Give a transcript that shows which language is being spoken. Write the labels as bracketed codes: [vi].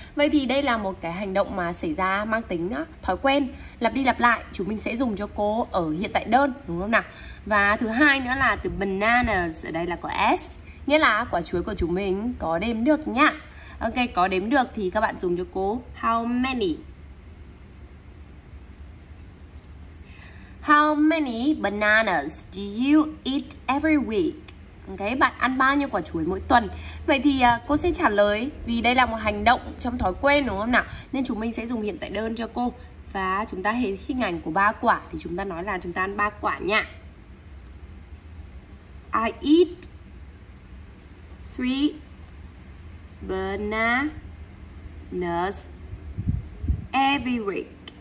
[vi] Vậy thì đây là một cái hành động mà xảy ra mang tính á, thói quen lặp đi lặp lại, chúng mình sẽ dùng cho cô ở hiện tại đơn, đúng không nào? Và thứ hai nữa là từ bananas ở đây là có s, nghĩa là quả chuối của chúng mình có đếm được nhá. Ok, có đếm được thì các bạn dùng cho cô how many. [en] How many bananas do you eat every week? [vi] Ok, bạn ăn bao nhiêu quả chuối mỗi tuần? Vậy thì cô sẽ trả lời vì đây là một hành động trong thói quen đúng không nào? Nên chúng mình sẽ dùng hiện tại đơn cho cô. Và chúng ta thấy hình ảnh của 3 quả thì chúng ta nói là chúng ta ăn 3 quả nha. [en] I eat 3 bananas every week.